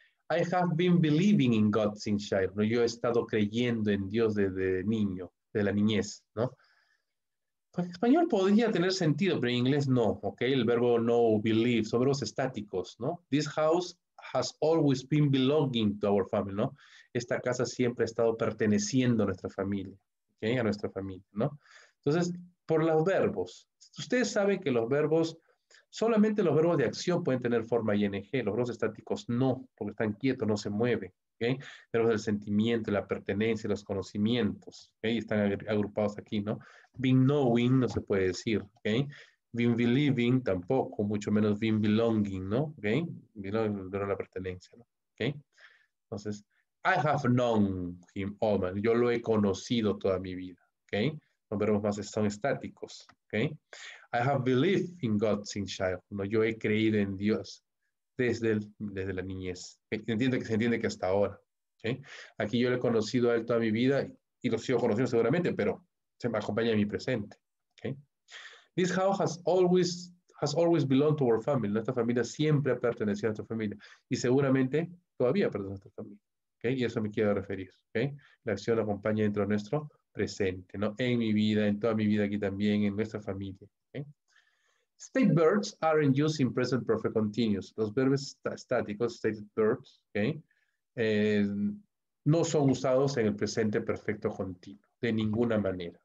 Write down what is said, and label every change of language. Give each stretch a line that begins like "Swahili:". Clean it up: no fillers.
English: I have been believing in God since childhood.
Spanish: ¿No? Yo he estado creyendo en Dios desde niño, de la niñez, ¿no? Pues en español podría tener sentido, pero en inglés no, ¿ok? El verbo know, believe, son verbos estáticos, ¿no?
English: This house has always been belonging to our family, ¿no?
Spanish: Esta casa siempre ha estado perteneciendo a nuestra familia, ¿ok? A nuestra familia, ¿no? Entonces, por los verbos, ustedes saben que los verbos... solamente los verbos de acción pueden tener forma ING, los verbos estáticos no, porque están quietos, no se mueven, ¿okay? Verbos del sentimiento, la pertenencia, los conocimientos, ¿okay? Están agrupados aquí, ¿no?
English: Been knowing
Spanish: no se puede decir, ¿okay?
English: Been believing
Spanish: tampoco, mucho menos
English: been belonging,
Spanish: ¿no? ¿Okay? Belonging, pero la pertenencia, ¿no? ¿Okay? Entonces,
English: I have known him all my life,
Spanish: yo lo he conocido toda mi vida, ¿okay? Los verbos más son estáticos,
English: ¿okay? I have believed in God since childhood. ¿No?
Spanish: Yo he creído en Dios desde la niñez. Se entiende que hasta ahora. ¿Okay? Aquí yo le he conocido a él toda mi vida y lo sigo conociendo seguramente, pero se me acompaña en mi presente. ¿Okay?
English: This house has always belonged to our family.
Spanish: Nuestra familia siempre ha pertenecido a nuestra familia y seguramente todavía pertenece a nuestra familia. ¿Okay? Y eso me quiero referir. ¿Okay? La acción acompaña dentro de nuestro presente, ¿no? En mi vida, en toda mi vida aquí también, en nuestra familia.
English: State verbs aren't used in present perfect continuous.
Spanish: Los verbos estáticos, stated verbs, okay, no son usados en el presente perfecto continuo, de ninguna manera.